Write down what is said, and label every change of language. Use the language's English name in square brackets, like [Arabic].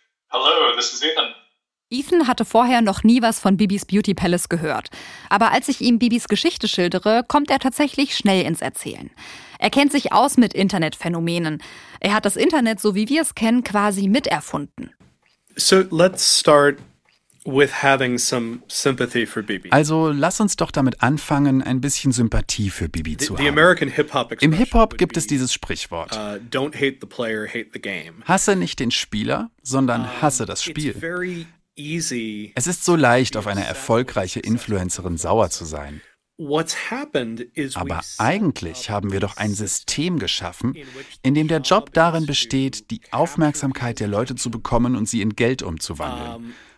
[English] Hello, this is Ethan. [German] Ethan hatte vorher noch nie was von Bibis Beauty Palace gehört. Aber als ich ihm Bibis Geschichte schildere, kommt er tatsächlich schnell ins Erzählen. Er kennt sich aus mit Internetphänomenen. Er hat das Internet, so wie wir es kennen, quasi miterfunden. [English] So let's start with having some sympathy for Bibi. [German] Also lass uns doch damit anfangen, ein bisschen Sympathie für Bibi zu haben. Im Hip-Hop gibt es dieses Sprichwort: [English] Don't hate the player, hate the game. [German] Hasse nicht den Spieler, sondern hasse das Spiel. Es ist so leicht, auf eine erfolgreiche Influencerin sauer zu sein. Aber eigentlich haben wir doch ein System geschaffen, in dem der Job darin besteht, die Aufmerksamkeit der Leute zu bekommen und sie in Geld umzuwandeln.